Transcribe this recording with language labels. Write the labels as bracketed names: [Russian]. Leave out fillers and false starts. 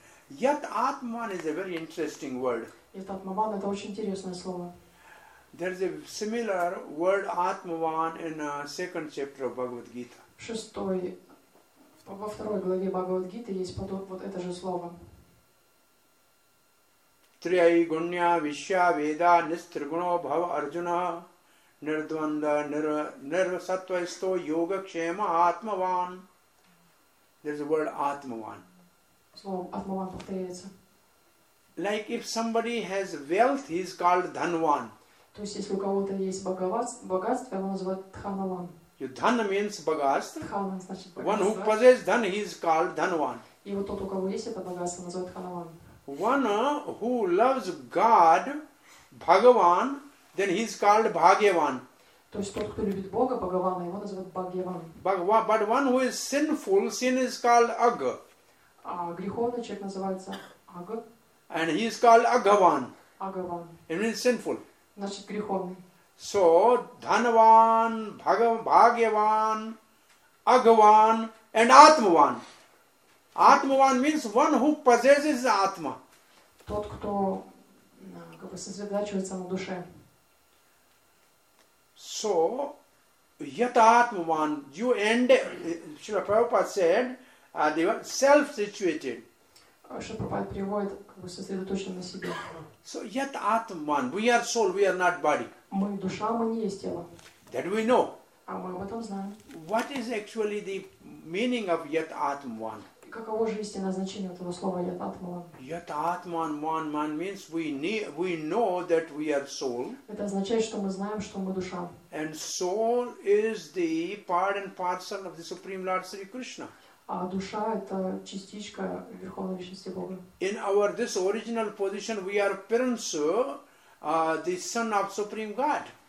[English] yat atman is a very interesting word. [Russian] Yat atman, это очень интересное слово. [English] There is a similar word atman in the second chapter of Bhagavad Gita. [Russian] Шестой, во второй главе Бхагавад Гиты есть подобное вот это же слово. [Sanskrit] Триай гунья вишья веда нистргуно бхава арджуна нирдванда нирвасатвайсто йога кшема атмаван. [English] There's a word атмаван. [Russian] Слово атмаван повторяется. [English] Like if somebody has wealth, he is called dhanvan. [Russian] То есть если у кого-то есть богатство, его называют дханаван. [English] Dhana means богатство. [Russian] Dhana значит богатство. [English] One who possesses dhan, he is called dhanvan. [Russian] И вот тот, у кого есть это богатство, называют дханаван. [English] One who loves God, Bhagavan, then he is called Bhagyavan. [Russian] То есть тот, кто любит Бога, Бхагавана, его называют Бхагьяван. [English] But one who is sinful, sin is called Agha. [Russian] А греховный человек называется Agha. [English] And he is called Agavan. [Russian] Агаван. [English] It means sinful. [Russian] Значит, греховный. [English] So, Dhanavan, Bhagyavan, Agavan, and Atmavan. Atmavan means one who possesses Atma. [Russian] Тот, кто как бы сосредоточивает саму душу. [English] So, yata Atmavan, you end, Srila Prabhupada said, they were self-situated. [Russian] Srila Prabhupada приводит, как бы сосредоточен на себе. [English] So, yata Atmavan, we are soul, we are not body. [Russian] Мы душа, мы не есть тело. [English] That we know. [Russian] А мы об этом знаем. [English] What is actually the meaning of yata Atmavan? [Russian] Каково же истинное значение этого слова ятатман? [English] Ятатман, ман means we know that we are soul. [Russian] Это означает, что мы знаем, что мы душа. [English] And soul is the part and parcel of the Supreme Lord Sri Krishna. [Russian] А душа это частичка Верховной Личности Бога. [English] In our this original position, we are parents, the son of Supreme God.